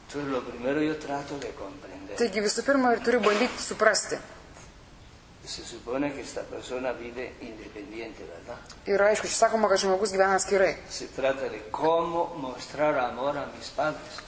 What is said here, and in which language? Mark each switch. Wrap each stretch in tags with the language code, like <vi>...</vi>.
<lt>Taigi visų pirma ir turiu bandyti suprasti.</lt> <es>Se supone que esta persona vive independiente, ¿verdad?</es> <lt>Ir aišku, sakoma, kad žmogus gyvena skirai.</lt> <es>Se trata de cómo mostrar amor a mis padres.</es>